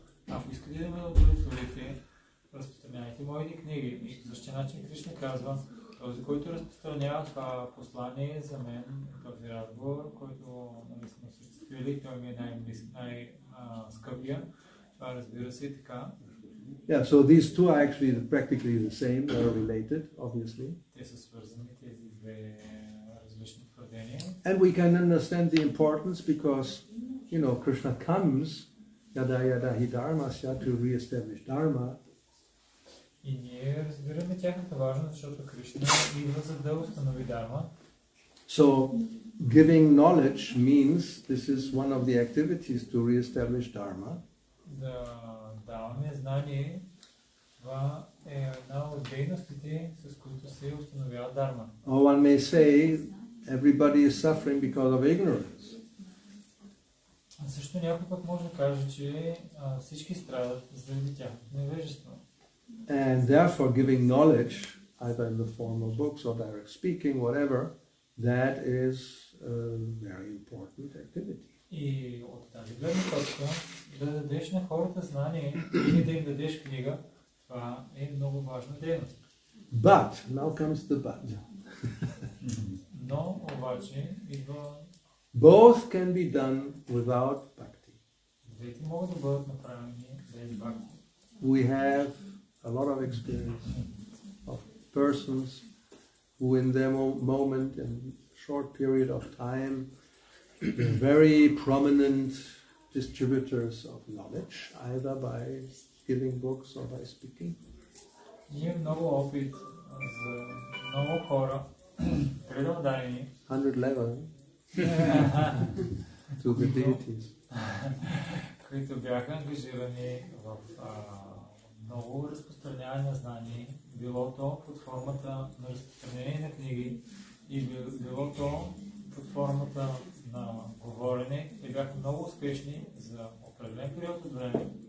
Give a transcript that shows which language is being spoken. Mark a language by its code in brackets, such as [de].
[bg] Ако искате да ме удовлетворите, разпространявайте моите книги. И по същия начин Кришна казва, този, който разпространява това послание за мен, този разговор, който нали сме осъществили, той ми е най-скъпия. Това разбира се и така. [en] Yeah, so these two are actually practically the same, they are related, obviously. [bg] Те са свързани, тези две различни твърдения. [en] And we can understand the importance because, you know, Krishna comes [sa] yada yada hi dharma sya [en] to re-establish dharma. [bg] И ние разбираме тяхната важност, защото Кришна идва за да установи дарма. [en] So giving knowledge means this is one of the activities to re-establish dharma. [bg] Да даваме знание, това е една от дейностите, с които се установява дарма. [en] Or one may say everybody is suffering because of ignorance. [bg] Също някой път може да каже, че всички страдат заради тяхното невежество. [en] And therefore giving knowledge, either in the form of books or direct speaking, whatever, that is a very important activity. [bg] И от тази гледна точка, да дадеш на хората знание или да им дадеш книга, това е много важна дейност. [en] But, now comes the but. [bg] Но обаче идва... [en] Both can be done without bhakti. [bg] Двете могат да бъдат направени без бхакти. [en] We have a lot of experience of persons who in their moment and short period of time are very prominent distributors of knowledge, either by giving books or by speaking. [bg] Ние много опит за много хора, предадени. 111. [en] To the deities. [bg] Които бяха ангажирани в много разпространяване на знание, било то под формата на разпространение на книги и било то под формата на говорене, и бяха много успешни за определен период от време.